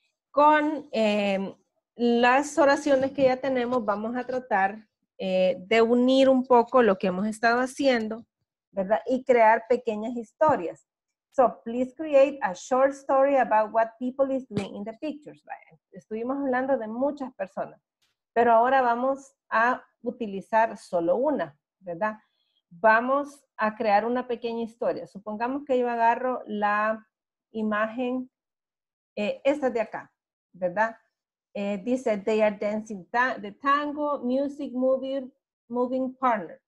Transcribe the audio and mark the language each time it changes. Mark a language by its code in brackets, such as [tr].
[es] Con las oraciones que ya tenemos, vamos a tratar de unir un poco lo que hemos estado haciendo, ¿verdad? Y crear pequeñas historias. [en] So, please create a short story about what people is doing in the pictures, right? [es] Estuvimos hablando de muchas personas, pero ahora vamos a utilizar solo una, ¿verdad? Vamos a crear una pequeña historia. Supongamos que yo agarro la imagen, esta de acá, ¿verdad? [en] Dice, they are dancing the tango, music, movie, moving partner.